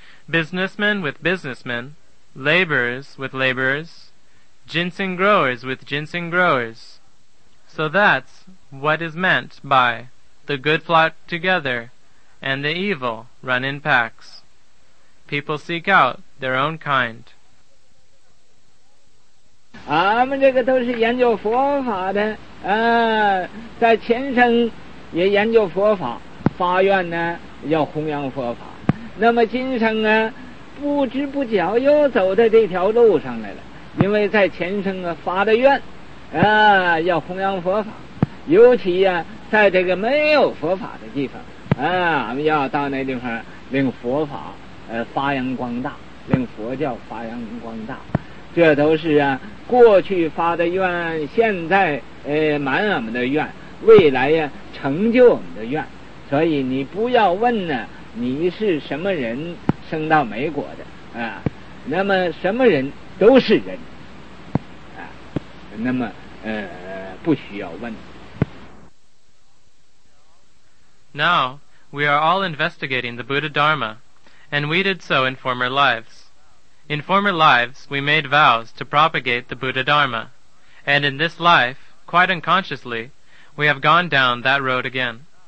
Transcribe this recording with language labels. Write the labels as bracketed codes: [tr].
[en] Businessmen with businessmen. Laborers with laborers. Ginseng growers with ginseng growers. So that's what is meant by the good flock together and the evil run in packs. People seek out their own kind. [zh] 俺们这个都是研究佛法的，在前生也研究佛法，发愿呢要弘扬佛法。那么今生呢，不知不觉又走在这条路上来了，因为在前生啊发的愿，要弘扬佛法，尤其呀、在这个没有佛法的地方，俺们要到那地方令佛法发扬光大，令佛教发扬光大。这都是啊，过去发的愿，现在满我们的愿，未来呀、成就我们的愿。所以你不要问呢，你是什么人生到美国的啊？那么什么人都是人啊，那么不需要问。 [en] Now we are all investigating the Buddha Dharma, and we did so in former lives. In former lives, we made vows to propagate the Buddha Dharma, and in this life, quite unconsciously, we have gone down that road again.